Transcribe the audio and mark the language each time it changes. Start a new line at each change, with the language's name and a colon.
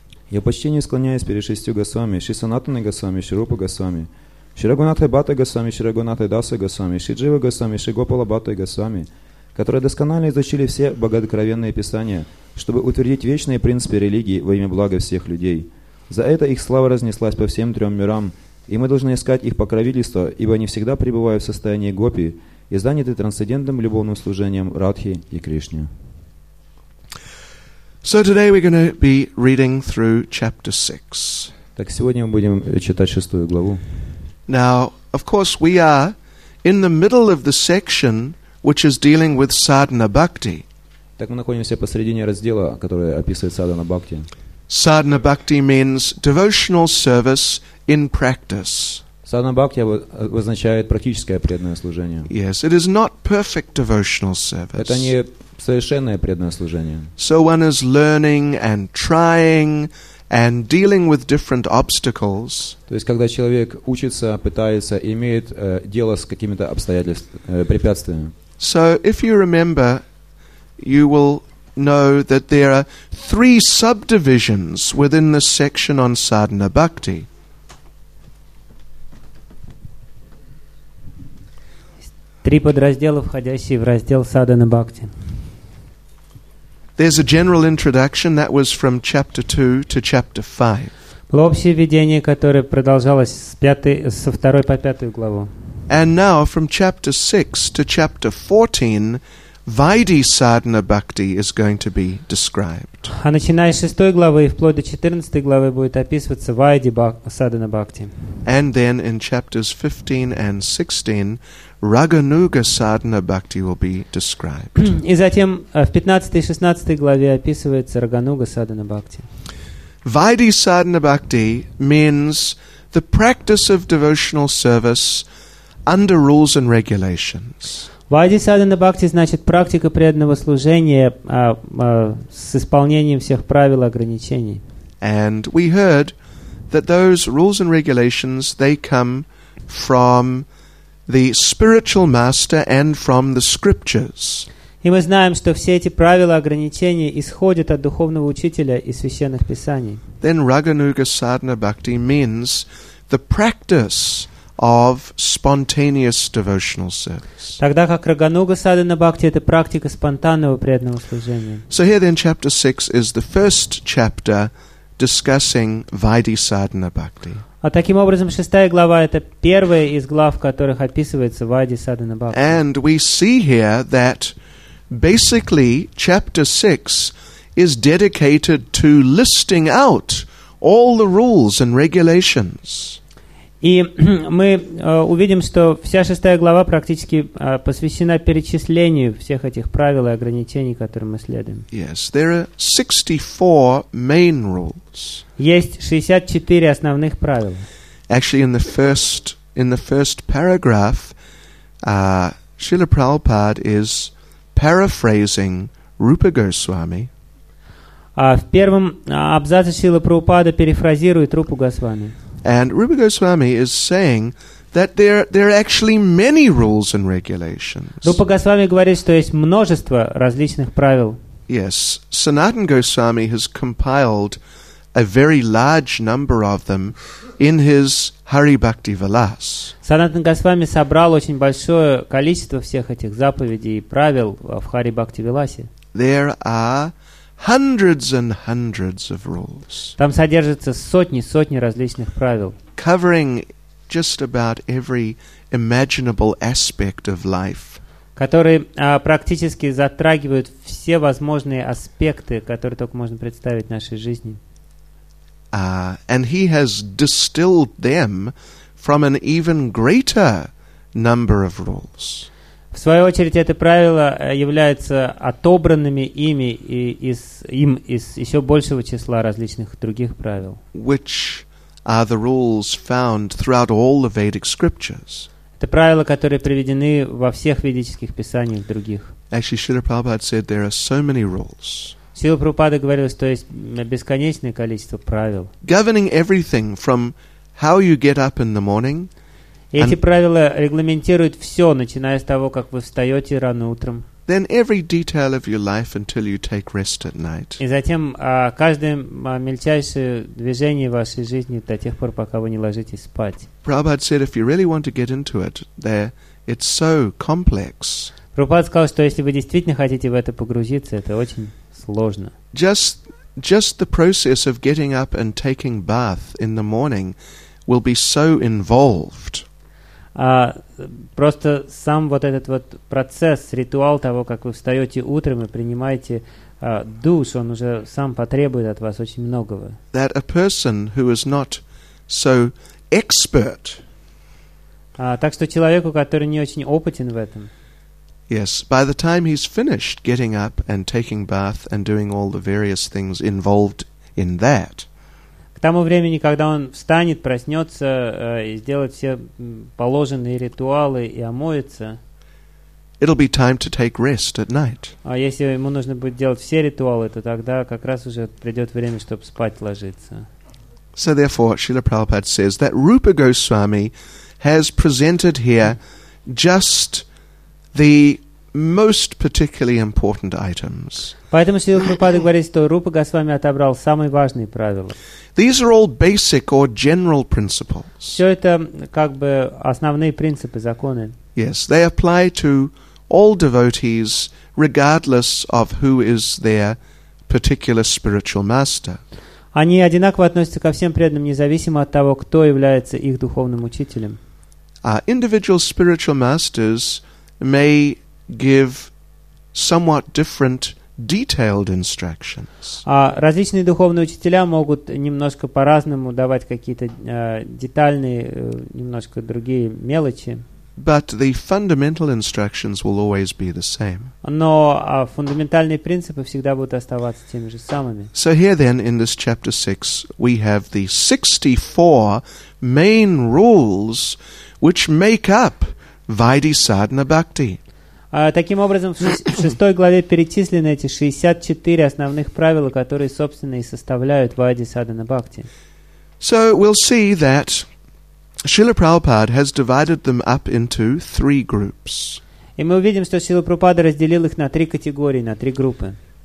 Russian: Я почтение склоняюсь перед шестью Госвами, Шри Санатаной Госвами, Шри Рупа Госвами, Шри Рагунатхой Бхаттой Госвами, Шри Рагунатхой Дасой Госвами, Шри Джива Госвами, Шри Гопала Бхаттой Госвами, которые досконально изучили все богооткровенные писания, чтобы утвердить вечные принципы религии во имя блага всех людей. За это их слава разнеслась по всем трем мирам, и мы должны искать их покровительство, ибо они всегда пребывают в состоянии гопи и заняты трансцендентным любовным служением Радхи и Кришне.
English: So today we're going to be reading through chapter 6.
Russian: Так сегодня мы будем читать шестую главу.
English: Now, of course, we are in the middle of the section which is dealing with sadhana bhakti.
Russian: Так мы находимся посредине раздела, который описывает sadhana bhakti.
English: Sadhana bhakti means devotional service in practice.
Russian: Sadhana bhakti означает практическое преданное служение.
English: Yes, it is not perfect devotional service.
Russian: Это не совершенное преданное служение.
English: So one is learning and trying and dealing with different obstacles.
Russian: То есть когда человек учится, пытается, имеет дело с какими-то обстоятельствами, препятствиями.
English: So if you remember, you will know that there are three subdivisions within the section on sadhana bhakti.
Russian: Три подраздела, входящие в раздел sadhana bhakti.
English: There's a general introduction that was from chapter 2 to chapter 5.
Russian: Общее введение, которое продолжалось со второй по пятую главу.
English: And now from chapter 6 to chapter 14, Vaidhi Sadhana Bhakti is going to be described.
Russian: А начиная с шестой главы и вплоть до 14 главы будет описываться Vaidhi Sadhana Bhakti.
English: And then in chapters 15 and 16, Raganuga Sadhana Bhakti will be described.
Russian: И затем в 15 и 16 главе описывается Рагануга Садхана Бхакти.
English: Vaidhi Sadhana Bhakti means the practice of devotional service under rules and regulations.
Russian: Vaidhi Sadhana Bhakti значит практика преданного служения с исполнением всех правил и ограничений.
English: And we heard that those rules and regulations, they come from the spiritual master and from the scriptures.
Russian: И мы знаем, что все эти правила ограничений исходят от духовного учителя и священных писаний.
English: Then Raghunuga Sadhana Bhakti means the practice of spontaneous devotional service.
Russian: Тогда как Рагануга Садхана Бхакти — это практика спонтанного преданного служения.
English: So here then chapter 6 is the first chapter discussing Vaidhi Sadhana Bhakti.
Russian: А таким образом, шестая глава — это первая из глав, в которых описывается Vaidhi Sadhana Bhakti.
English: And we see here that basically chapter 6 is dedicated to listing out all the rules and regulations.
Russian: И мы увидим, что вся шестая глава практически посвящена перечислению всех этих правил и ограничений, которым мы следуем.
English: Yes, there are 64 main rules.
Russian: Есть 64 основных правила.
English: Actually, in the first paragraph, Srila Prabhupada is paraphrasing Rupa Goswami.
Russian: В первом абзаце Шрила Прабхупада перефразирует Рупу Госвами.
English: And Rupa Goswami is saying that there are actually many rules and regulations.
Russian: Rupa Goswami говорит, что есть множество различных правил.
English: Yes, Sanatan Goswami has compiled a very large number of them in his Hari Bhakti Vilas.
Russian: Sanatan Goswami собрал очень большое количество всех этих заповедей и правил в Hari Bhakti Vilas.
English: There are hundreds and hundreds of rules.
Russian: Там содержится сотни различных правил.
English: Covering just about every imaginable aspect of life.
Russian: Которые практически затрагивают все возможные аспекты, которые только можно представить в нашей жизни.
English: And he has distilled them from an even greater number of rules.
Russian: В свою очередь, это правило является отобранными ими и из еще большего числа различных других правил.
English: Which are the rules found throughout all the Vedic scriptures?
Russian: Это правила, которые приведены во всех ведических писаниях других.
English: Actually, Srila Prabhupada said there are so many rules.
Russian: Srila Prabhupada говорил, что есть бесконечное количество правил.
English: Governing everything from how you get up in the morning.
Russian: И эти правила регламентируют все, начиная с того, как вы встаете рано утром.
English: Then every detail of your life until you take rest at night.
Russian: И затем каждое мельчайшее движение вашей жизни до тех пор, пока вы не ложитесь спать.
English: Prabhupada said, if you really want to get into it, there, it's so complex.
Russian: Prabhupada сказал, что если вы действительно хотите в это погрузиться, это очень сложно.
English: Just the process of getting up and taking bath in the morning will be so involved.
Russian: Просто сам вот этот вот процесс, ритуал того, как вы встаете утром и принимаете душ, он уже сам потребует от вас очень многого.
English: That a person who is not so expert.
Russian: Так что человеку, который не очень опытен в этом.
English: Yes, by the time he's finished getting up and taking bath and doing all the various things involved in that.
Russian: К тому времени, когда он встанет, проснется и сделает все положенные ритуалы и омоется,
English: it'll be time to take rest at night.
Russian: А если ему нужно будет делать все ритуалы, то тогда как раз уже придет время, чтобы спать ложиться.
English: So therefore, Srila Prabhupada says that Rupa Goswami has presented here just the most particularly important items.
Russian: Поэтому Шрила Прабхупада говорит, что Рупа Госвами отобрал самые важные правила.
English: These are all basic or general principles.
Russian: Все это как бы основные принципы, законы.
English: Yes, they apply to all devotees, regardless of who is their particular spiritual master.
Russian: Они одинаково относятся ко всем преданным, независимо от того, кто является их духовным учителем.
English: Individual spiritual masters may give somewhat different detailed instructions.
Russian: Различные духовные учителя могут немножко по-разному давать какие-то детальные, немножко другие мелочи.
English: But the fundamental instructions will always be the same.
Russian: Но фундаментальные принципы всегда будут оставаться теми же самыми.
English: So here then in this chapter 6 we have the 64 main rules which make up Vaidhi Sadhana Bhakti.
Russian: Таким образом, в шестой главе перечислены эти 64 основных правила, которые, собственно, и составляют Вайди Садхана Бхакти.
English: So we'll see that Srila Prabhupada has divided them up into three groups.
Russian: И мы увидим, что Шрила Прабхупада разделил их на три категории, на три группы.